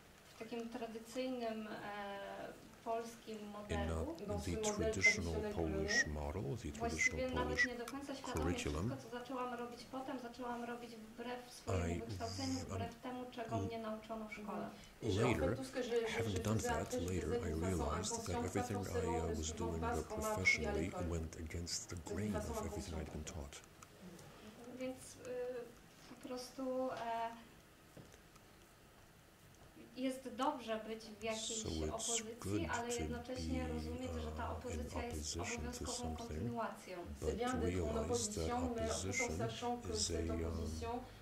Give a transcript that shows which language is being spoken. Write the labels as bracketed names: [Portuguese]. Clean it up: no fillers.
[Polish] w takim tradycyjnym polskim modelu, [English] the traditional Polish model, the traditional Polish curriculum, [Polish] to zaczęłam robić potem, zaczęłam robić wbrew swojemu kształceniu, wbrew temu, czego mnie nauczono w szkole. [English] Later, having done that, later I realized that everything I was doing professionally went against the grain of everything I'd been taught. [Polish] Więc po prostu jest dobrze być w jakiejś opozycji, ale jednocześnie rozumieć, że ta opozycja jest obowiązkową kontynuacją. [French] C'est bien d'être en opposition, mais en sachant que cette opposition